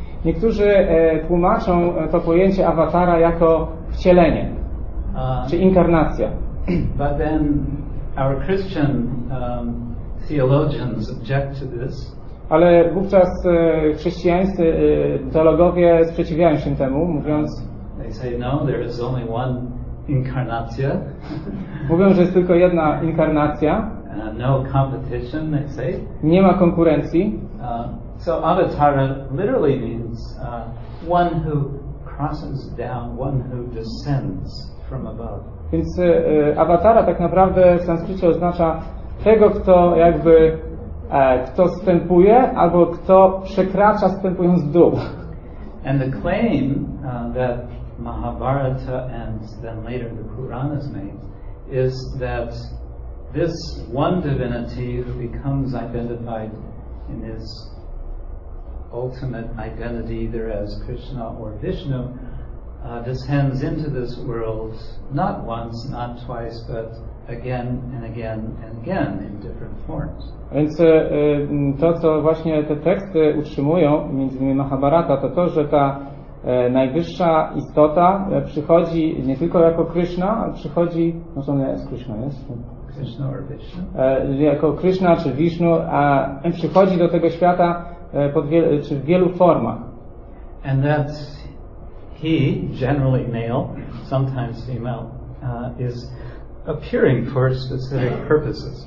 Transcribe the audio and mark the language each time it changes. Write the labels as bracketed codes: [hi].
[pl] Niektórzy tłumaczą to pojęcie awatara jako wcielenie, czy inkarnacja. [en] But then our Christian theologians object to this. [pl] Ale wówczas chrześcijańscy teologowie sprzeciwiają się temu, mówiąc... [en] They say, no, there is only one incarnacja. [pl] Mówią, że jest tylko jedna inkarnacja. [en] No competition, they say. [pl] Nie ma konkurencji. [en] So avatara literally means one who crosses down, one who descends from above. [pl] Więc avatara tak naprawdę w sanskrycie oznacza tego, kto jakby kto wstępuje albo kto przekracza wstępując w dół. [en] And the claim that Mahabharata and then later the Puranas made is that this one divinity who becomes identified in his ultimate identity either as Krishna or Vishnu descends into this world not once, not twice, but again and again and again in different forms. [pl] Więc to, co właśnie te teksty utrzymują, między innymi Mahabharata, to, że ta najwyższa istota przychodzi nie tylko jako Krishna, ale przychodzi, no to nie jest Krishna, jest? [en] Krishna or Vishnu. [pl] Jako Krishna czy Vishnu, a przychodzi do tego świata w wielu formach. [en] And that he, generally male, sometimes female, is appearing for specific purposes.